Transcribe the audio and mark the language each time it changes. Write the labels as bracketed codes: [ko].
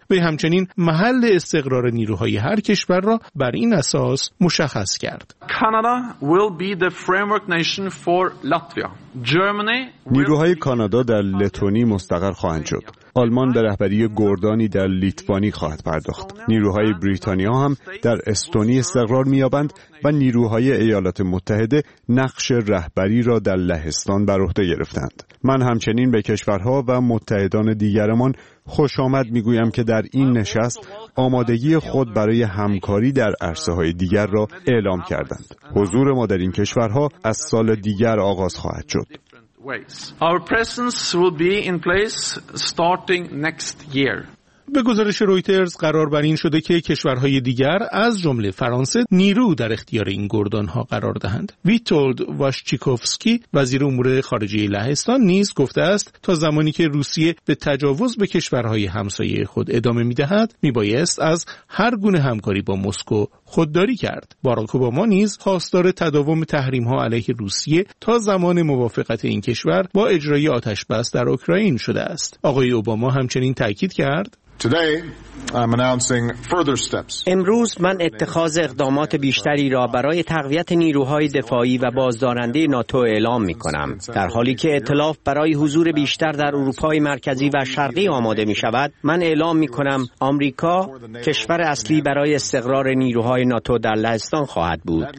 [fa] وی همچنین محل استقرار نیروهای هر کشور را بر این اساس مشخص کرد. [en] Canada will be the framework nation for Latvia. Germany [fa] نیروهای کانادا در لتونی مستقر خواهند شد. آلمان به رهبری گردانی در لیتوانی خواهد پرداخت. نیروهای بریتانیا هم در استونی استقرار می‌یابند و نیروهای ایالات متحده نقش رهبری را در لهستان بر عهده گرفتند. من همچنین به کشورها و متحدان دیگرمان خوش آمد می‌گویم که در این نشست آمادگی خود برای همکاری در عرصه‌های دیگر را اعلام کردند. حضور ما در این کشورها از سال دیگر آغاز خواهد شد. [en] Our presence will be in place starting next year. [fa] به گزارش رویترز قرار بر این شده که کشورهای دیگر از جمله فرانسه نیرو در اختیار این گردان‌ها قرار دهند. ویتولد واشچیکوفسکی وزیر امور خارجه لهستان نیز گفته است تا زمانی که روسیه به تجاوز به کشورهای همسایه خود ادامه می‌دهد می‌بایست از هر گونه همکاری با مسکو خودداری کرد. باراک اوباما نیز خواستار تداوم تحریم‌ها علیه روسیه تا زمان موافقت این کشور با اجرای آتش‌بس در اوکراین شده است. آقای اوباما همچنین تاکید کرد [en] Today I'm announcing further steps. [fa] امروز من اتخاذ اقدامات بیشتری را برای تقویت نیروهای دفاعی و بازدارنده ناتو اعلام می‌کنم. در حالی که ائتلاف برای حضور بیشتر در اروپای مرکزی و شرقی آماده می‌شود، من اعلام می‌کنم آمریکا کشور اصلی برای استقرار نیروهای ناتو در لهستان خواهد بود.